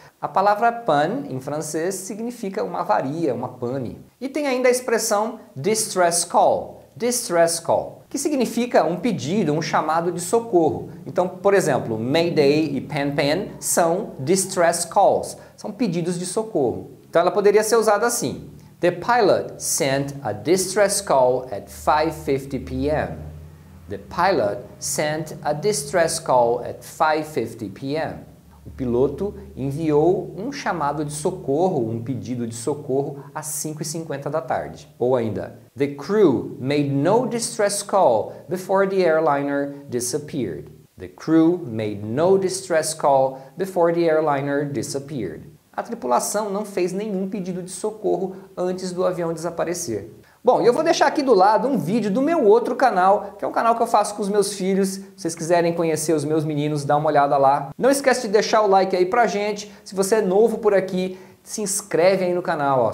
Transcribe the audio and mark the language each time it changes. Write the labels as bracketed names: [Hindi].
[Portuguese] A palavra pan, em francês, significa uma avaria, uma pane. E tem ainda a expressão distress call. Distress call, que significa um pedido, um chamado de socorro. Então, por exemplo, Mayday e Pan Pan são distress calls, são pedidos de socorro. Então ela poderia ser usada assim. [English] The pilot sent a distress call at 5:50 p.m. The pilot sent a distress call at 5:50 p.m. [Portuguese] O piloto enviou um chamado de socorro, um pedido de socorro, às 5:50 da tarde. Ou ainda, [English] the crew made no distress call before the airliner disappeared. The crew made no distress call before the airliner disappeared. [Portuguese] A tripulação não fez nenhum pedido de socorro antes do avião desaparecer. Bom, eu vou deixar aqui do lado um vídeo do meu outro canal, que é um canal que eu faço com os meus filhos. Se vocês quiserem conhecer os meus meninos, dá uma olhada lá. Não esquece de deixar o like aí pra gente. Se você é novo por aqui, se inscreve aí no canal, ó.